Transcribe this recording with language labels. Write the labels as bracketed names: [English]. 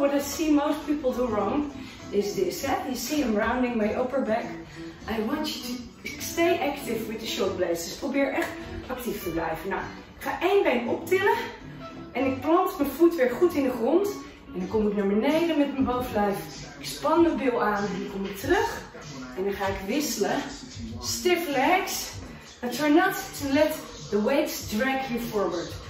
[English] What I see most people do wrong is this. Eh? You see I'm rounding my upper back. I want you to stay active with the shoulder blades. [Dutch] Dus probeer echt actief te blijven. Nou, ik ga 1 been optillen. En ik plant mijn voet weer goed in de grond. En dan kom ik naar beneden met mijn bovenlijf. Ik span mijn bil aan en dan kom ik terug. En dan ga ik wisselen. [English] Stiff legs. But try not to let the weights drag you forward.